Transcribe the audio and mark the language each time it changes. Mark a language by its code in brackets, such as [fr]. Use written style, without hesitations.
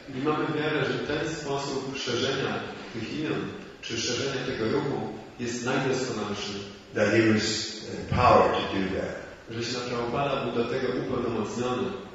[pl] I mamy wiarę, że ten sposób szerzenia tych imion, czy szerzenia tego ruchu, jest najdoskonalszy. [en] That he was empowered to do that. [pl] Że Śla Prabhupada był do tego upełnomocniony.